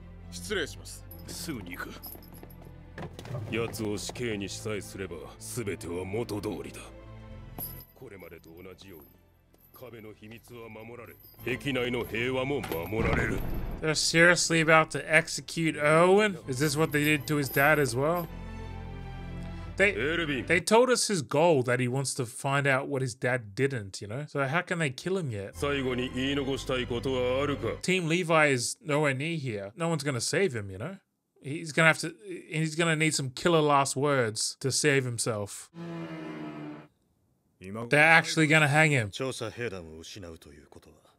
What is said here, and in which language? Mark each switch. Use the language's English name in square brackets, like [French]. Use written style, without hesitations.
[Japanese] 失礼します。すぐに行く。奴を死刑にしさえすれば、すべては元通りだ。これまでと同じように、壁の秘密は守られ、壁内の平和も守られる。 [English] They're seriously about to execute Erwin? Is this what they did to his dad as well? They told us his goal, that he wants to find out what his dad didn't, you know? So how can they kill him yet? [Japanese] 最後に言い残したいことはあるか? [English] Team Levi is nowhere near here. No one's gonna save him, you know? He's gonna need some killer last words to save himself. They're actually gonna hang him. [Japanese] 調査兵団を失うということは